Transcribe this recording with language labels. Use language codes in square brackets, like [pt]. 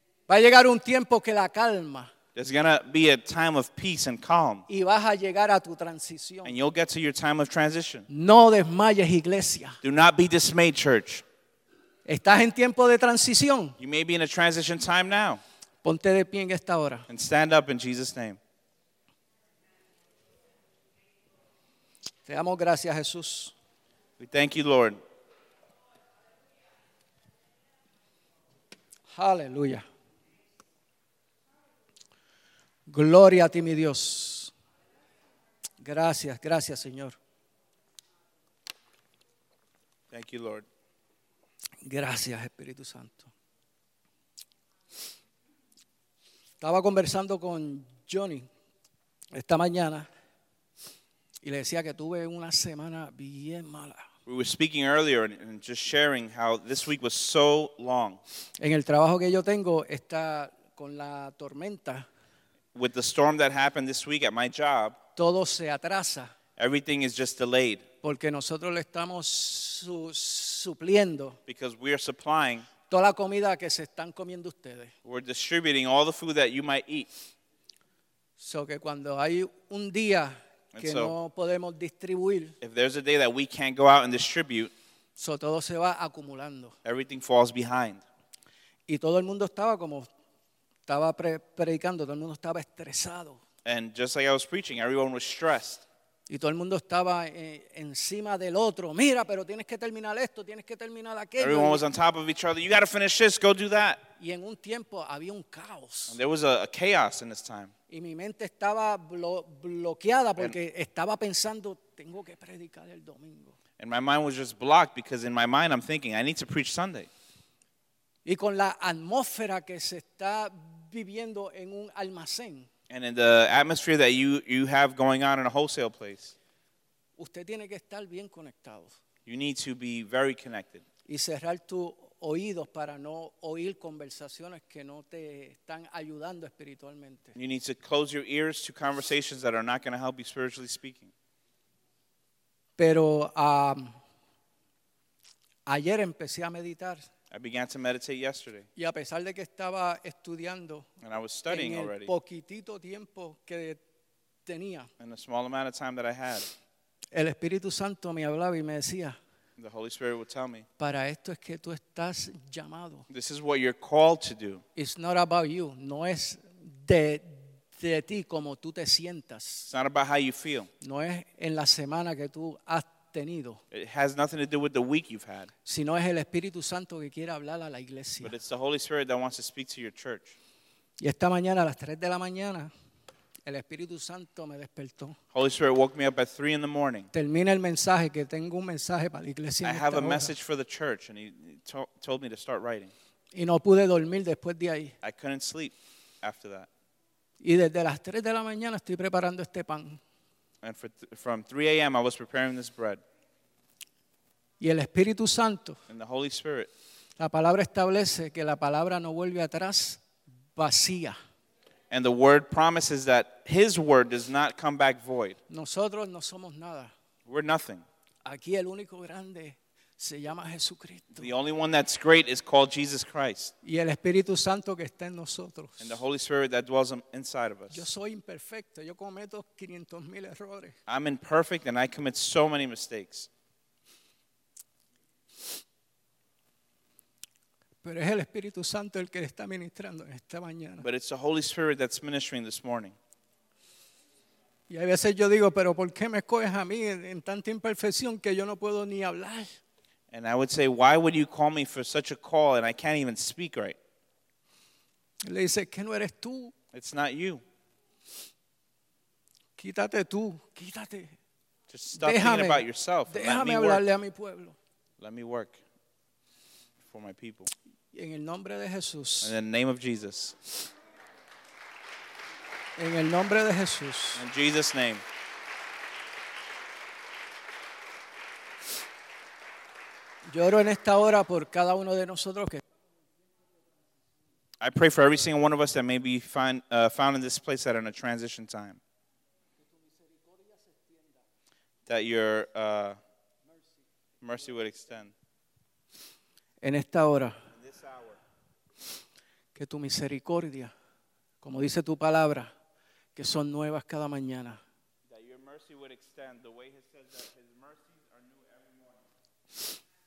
[es] Va a llegar un tiempo que la calma. [en] There's going to be a time of peace and calm. [es] Y vas a llegar a tu transición. [en] And you'll get to your time of transition. [es] No desmayes, iglesia. [en] Do not be dismayed, church. [es] Estás en tiempo de transición. [en] You may be in a transition time now. [es] Ponte de pie en esta hora. [en] And stand up in Jesus' name. [es] Te damos gracias, Jesús. [en] We thank you, Lord. Hallelujah. [es] Gloria a ti, mi Dios. Gracias, gracias, Señor. [en] Thank you, Lord. [es] Gracias, Espíritu Santo. Estaba conversando con Johnny esta mañana y le decía que tuve una semana bien mala. [en] We were speaking earlier and just sharing how this week was so long. [es] En el trabajo que yo tengo está con la tormenta. [en] With the storm that happened this week at my job, [es] todo se atrasa. [en] Everything is just delayed. [es] Porque nosotros le estamos supliendo. [en] Because we are supplying. [es] Toda la comida que se están comiendo ustedes. [en] We're distributing all the food that you might eat. [es] So que cuando hay un día que no podemos distribuir, [en] if there's a day that we can't go out and distribute, [es] so todo se va acumulando. [en] Everything falls behind. [es] Y todo el mundo estaba como estaba predicando, todo el mundo estaba estresado. [en] And just like I was preaching, everyone was stressed. [es] Y todo el mundo estaba encima del otro. Mira, pero tienes que terminar esto, tienes que terminar aquello. [en] Everyone was on top of each other. You got to finish this, go do that. [es] Y en un tiempo había un caos. [en] And there was a chaos in this time. [es] Y mi mente estaba bloqueada porque estaba pensando, tengo que predicar el domingo. [en] And my mind was just blocked because in my mind I'm thinking, I need to preach Sunday. [es] Y con la atmósfera que se está viviendo en un almacén. [en] And in the atmosphere that you have going on in a wholesale place. [es] Usted tiene que estar bien conectado. [en] You need to be very connected. [es] Y cerrar tus oídos para no oír conversaciones que no te están ayudando espiritualmente. [en] You need to close your ears to conversations that are not going to help you spiritually speaking. [es] Pero ayer empecé a meditar. [en] I began to meditate yesterday. [es] Y a pesar de que estaba estudiando, [en] and I was studying [es] en el [en] already. [es] Poquitito tiempo que tenía, [en] in the small amount of time that I had. [es] El Espíritu Santo me hablaba y me decía, [en] the Holy Spirit would tell me. [es] Para esto es que tú estás llamado. [en] This is what you're called to do. It's not about you. [es] No es de ti como tú te sientas. [en] It's not about how you feel. [es] No es en la semana que tú has. [en] It has nothing to do with the week you've had. [es] Sino es el Espíritu Santo que quiere hablar a la iglesia. [en] But it's the Holy Spirit that wants to speak to your church. [es] Y esta mañana a las 3 de la mañana, el Espíritu Santo me despertó. [en] Holy Spirit woke me up at 3 in the morning. [es] Termina el mensaje que tengo un mensaje para la iglesia. [en] I have a message for the church, and he told me to start writing. [es] Y no pude dormir después de ahí. [en] I couldn't sleep after that. [es] Y desde las 3 de la mañana estoy preparando este pan. [en] And from 3 a.m. I was preparing this bread. [es] Y el Espíritu Santo, [en] and the Holy Spirit. [es] La palabra establece que la palabra no vuelve atrás vacía. [en] And the word promises that his word does not come back void. [es] Nosotros no somos nada. [en] We're nothing. [es] Aquí el único grande se llama Jesucristo. [en] The only one that's great is called Jesus Christ. [es] Y el Espíritu Santo que está en nosotros. [en] And the Holy Spirit that dwells inside of us. [es] Yo soy imperfecto. Yo cometo 500,000 errores. [en] I'm imperfect and I commit so many mistakes. [es] Pero es el Espíritu Santo el que está ministrando esta mañana. [en] But it's the Holy Spirit that's ministering this morning. [es] Y a veces yo digo, pero ¿por qué me escoges a mí en tanta imperfección que yo no puedo ni hablar? [en] And I would say, why would you call me for such a call and I can't even speak right? [es] Le dice, ¿qué no eres tú? [en] It's not you. [es] Quítate tú. Quítate. [en] Just stop thinking about yourself. [es] Déjame hablarle a mi pueblo. [en] Let me work for my people. [es] En el nombre de Jesús. [en] In the name of Jesus. [es] En el nombre de Jesús. [en] In Jesus' name. [es] Yo oro en esta hora por cada uno de nosotros que. [en] I pray for every single one of us that may be found in this place that are in a transition time. That your mercy would extend. [es] En esta hora. [en] In this hour. [es] Que tu misericordia, como dice tu palabra, que son nuevas cada mañana. [en] That your mercy would extend the way he says that his mercies are new every morning.